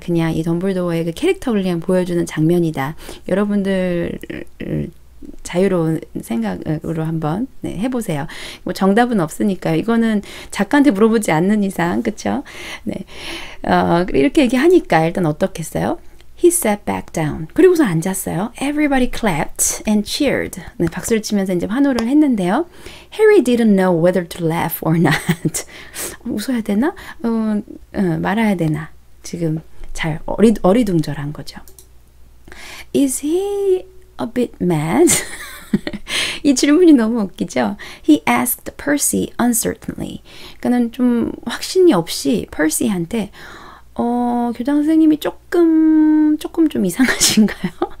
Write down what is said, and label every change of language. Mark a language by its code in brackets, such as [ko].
[ko] 그냥 이 덤블도어의 그 캐릭터를 그냥 보여주는 장면이다. 여러분들 자유로운 생각으로 한번 네, 해보세요. 뭐 정답은 없으니까요. 이거는 작가한테 물어보지 않는 이상, 그쵸? 네. 이렇게 얘기하니까 일단 어떻겠어요? [en] He sat back down. [ko] 그리고서 앉았어요. [en] Everybody clapped and cheered. [ko] 네, 박수를 치면서 이제 환호를 했는데요. [en] Harry didn't know whether to laugh or not. [ko] 웃어야 되나? 말아야 되나? 지금 잘 어리둥절한 거죠. [en] Is he a bit mad? [ko] 이 질문이 너무 웃기죠? [en] He asked Percy uncertainly. [ko] 그는 좀 확신이 없이 Percy한테 교장 선생님이 조금 좀 이상하신가요?